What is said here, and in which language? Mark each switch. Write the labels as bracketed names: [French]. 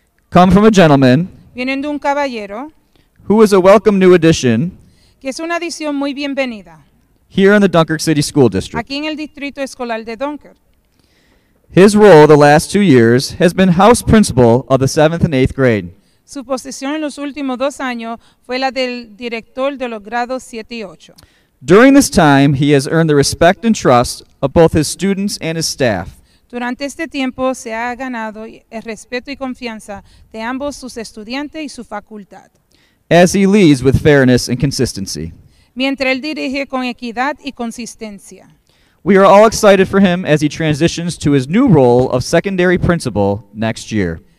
[English] Come from a gentleman. [Spanish] Vienen de un caballero. [English] Who is a welcome new addition. [Spanish] Que es una adición muy bienvenida. [English] Here in the Dunkirk City School District. [Spanish] Aquí en el distrito escolar de Dunkirk. [English] His role the last 2 years has been house principal of the 7th and 8th grade. [Spanish] Su posición en los últimos dos años fue la del director de los grados 7 y 8. [English] During this time, he has earned the respect and trust of both his students and his staff. [Spanish] Durante este tiempo, se ha ganado el respeto y confianza de ambos sus estudiantes y su facultad. [English] As he leads with fairness and consistency. [Spanish] Mientras él dirige con equidad y consistencia. [English] We are all excited for him as he transitions to his new role of secondary principal next year.